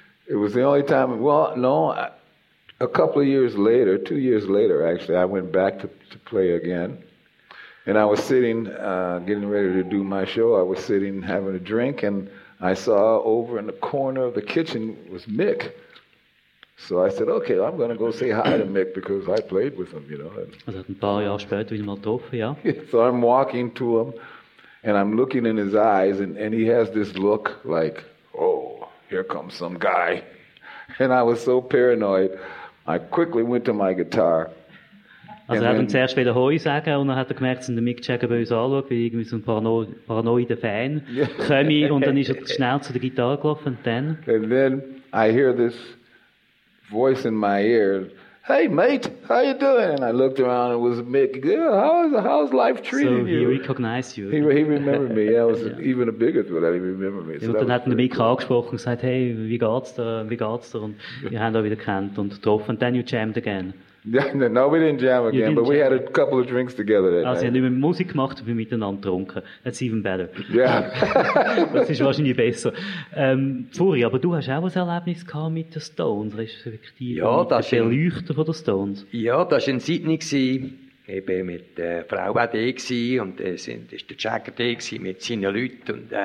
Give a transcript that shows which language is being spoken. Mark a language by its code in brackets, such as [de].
[en] It was the only time... Well, no, a couple of years later, 2 years later, actually, I went back to play again. And I was sitting, getting ready to do my show. I was sitting having a drink, and I saw over in the corner of the kitchen was Mick. So I said, okay, I'm going to go say hi to Mick because I played with him, you know. [de] Also ein paar Jahre später wieder mal getroffen, ja. [en] So I'm walking to him, and I'm looking in his eyes, and he has this look like, oh, here comes some guy. And I was so paranoid, I quickly went to my guitar. [de] Also er hat ihm zuerst wieder Hoi sagen und dann hat er gemerkt, dass der Mick Jagger bei uns anschaut, wie irgendwie so ein paranoider Fan komme und dann ist er schnell zu der Gitarre gelaufen und dann... [en] And then I hear this voice in my ear, hey mate, how you doing? And I looked around and it was Mick, yeah, how's life treating so, you? So he recognized you. He remembered me, yeah, it was yeah. Even a bigger thing that he remembered me. [de] So und dann hat der Mick cool. angesprochen und gesagt, hey, wie geht's dir? Und wir haben ihn wieder gekannt und getroffen und dann [en] you jammed again. No, we didn't jam again, didn't but we had a couple of drinks together that [de] night. Also, ihr habt nicht mehr Musik gemacht, aber miteinander getrunken. [en] That's even better. Yeah. [de] Das ist wahrscheinlich besser. Furi, aber du hast auch ein Erlebnis gehabt mit den Stones, respektive ja, mit den Beleuchtern der Stones. Ja, das war in Sydney. Ich war mit der Frau auch da und ist der Jagger da mit seinen Leuten.